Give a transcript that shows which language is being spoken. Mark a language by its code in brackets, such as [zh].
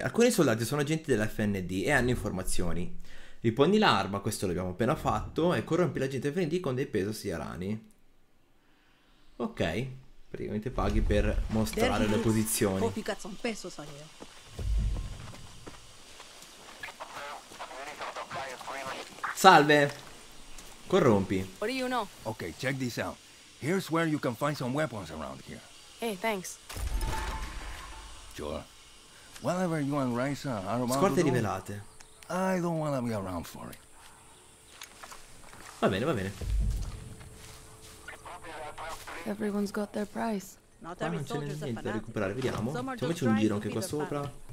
[it] Alcuni soldati sono agenti dell'FND e hanno informazioni. Riponi l'arma, questo l'abbiamo appena fatto, e corrompi l'agente FND con dei pesos irani. Ok. Praticamente paghi per mostrare le posizioni. [en] Hope you got some pesos on you. [it] Salve. Corrompi. [en] What do you know? Okay, check this out. Here's where you can find some weapons around here. Hey, thanks. Sure. Whatever you and Raisa are about. [it] Scorte [en] to do, [it] rivelate. [en] I don't wanna be around for it. [it] Va bene, va bene. [en] Everyone's got their price. Not every soldier's a fanatic. [it] Qua non c'è niente da recuperare, vediamo. Facciamoci un giro anche qua sopra.